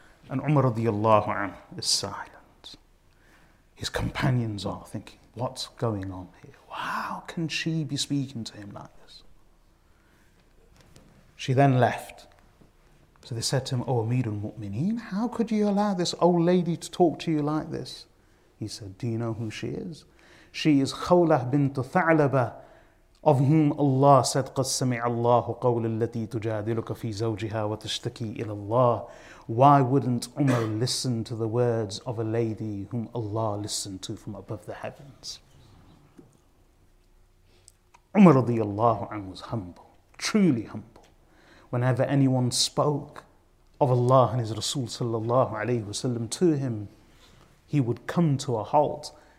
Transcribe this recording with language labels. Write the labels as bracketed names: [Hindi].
[English] And Umar radiallahu anhu is silent. His companions are thinking, "What's going on here? How can she be speaking to him like this?" She then left. So they said to him, "Oh, Amir al-Mu'mineen, how could you allow this old lady to talk to you like this?" He said, "Do you know who she is? She is Khawlah bint Tha'labah, of whom Allah said, [Arabic] قَدْ سَمِعَ اللَّهُ قَوْلَ الَّتِي تُجَادِلُكَ فِي زَوْجِهَا وَتَشْتَكِي إِلَى اللَّهِ." [English] Why wouldn't Umar listen to the words of a lady whom Allah listened to from above the heavens? Umar radiallahu anhu was humble, truly humble. whenever anyone spoke of Allah and his Rasul sallallahu alayhi wasallam to him, he would come to a halt.